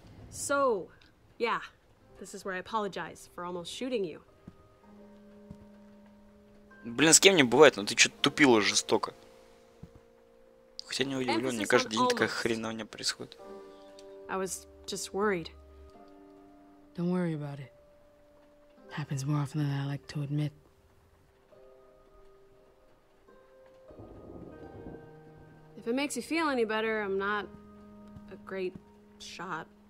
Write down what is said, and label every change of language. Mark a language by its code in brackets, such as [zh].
[en] So, yeah, this is where I apologize for almost shooting you. [ru] Блин, с кем не бывает, но ты что-то тупила жестоко. Хотя не удивлен, не каждый день такая хреновня происходит. [en] I was just worried. Don't worry about it. Happens more often than I like to admit. If it makes you feel any better, I'm not a great shot.